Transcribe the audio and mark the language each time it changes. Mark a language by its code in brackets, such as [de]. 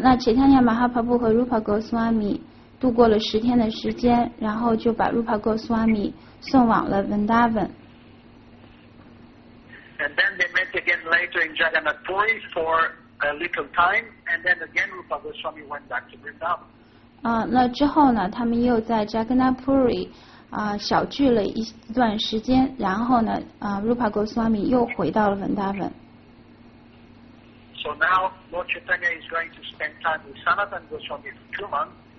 [zh] 那切塔尼亚马哈帕布和 Rupa Goswami。度过了10天的时间，然后就把 Rupa Goswami 送往了 Vrindavan. [en] And then they met again later in Jagannath Puri for a little time, and then again Rupa Goswami went back to Vrindavan. [zh] 那之后呢，他们又在 Jagannath Puri 小聚了一段时间，然后呢，Rupa Goswami 又回到了 Vrindavan. [en] So now Lord Chaitanya is going to spend time with Sanatan Goswami for 2 months.